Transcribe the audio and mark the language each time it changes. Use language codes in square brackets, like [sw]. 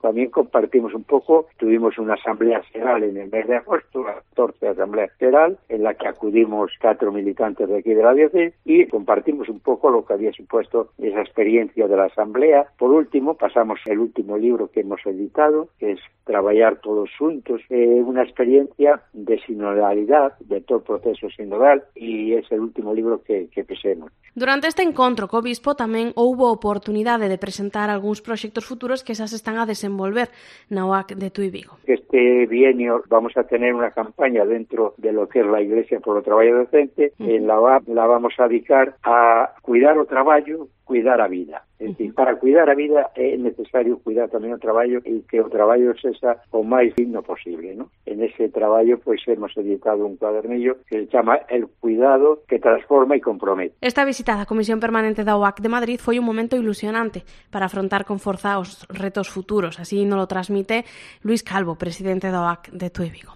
[es] También compartimos un poco, tuvimos una asamblea general en el mes de agosto, la 14 asamblea general, en la que acudimos 4 militantes de aquí de la diócesis y compartimos un poco lo que había supuesto esa experiencia de la asamblea. Por último, pasamos el último libro que hemos editado, que es Trabajar Todos Juntos, una experiencia de sinodalidad de todo el proceso sinodal, y es el último libro que pisemos. [gl] Durante este encontro co obispo tamén houve oportunidade de presentar algúns proxectos futuros que xa se están a desenvolver na OAC de Tui Vigo. [es] Este bienio vamos a tener una campaña dentro de lo que es la Iglesia por o Traballo Docente. En la OAC la vamos a dedicar a cuidar [gl] o traballo, cuidar a vida. [es] Es decir, [gl] para cuidar a vida é necesario cuidar tamén o traballo e que o traballo sexa o máis digno posible, ¿no? [es] En ese traballo pues hemos editado un cuadernillo que [gl] se chama [es] El cuidado que transforma y compromete. [gl] Esta visita da Comisión Permanente da OAC de Madrid foi un momento ilusionante para afrontar con forza os retos futuros, [es] así nos lo transmite [gl] Luis Calvo, presidente da OAC de Tui Vigo.